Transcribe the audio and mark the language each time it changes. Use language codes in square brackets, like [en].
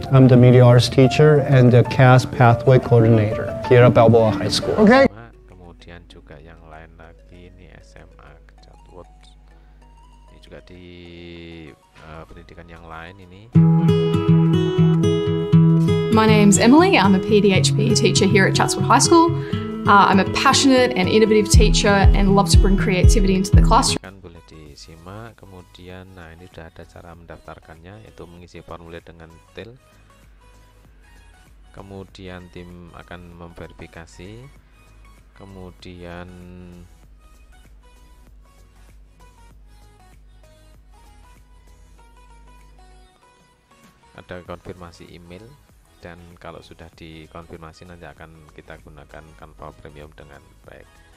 [en] I'm the media arts teacher and the CAS pathway coordinator here at Balboa High School. Okay. [id] Kemudian juga yang lain lagi, ini SMA Chatwood. Ini juga di pendidikan yang lain ini. [en] My name's Emily. I'm a PDHP teacher here at Chatswood High School. I'm a passionate and innovative teacher and love to bring creativity into the classroom. [id] Kan boleh disimak. Kemudian, nah ini sudah ada cara mendaftarkannya, yaitu mengisi formulir dengan detail. Kemudian tim akan memverifikasi. Kemudian ada konfirmasi email, dan kalau sudah dikonfirmasi nanti akan kita gunakan Canva Premium dengan baik.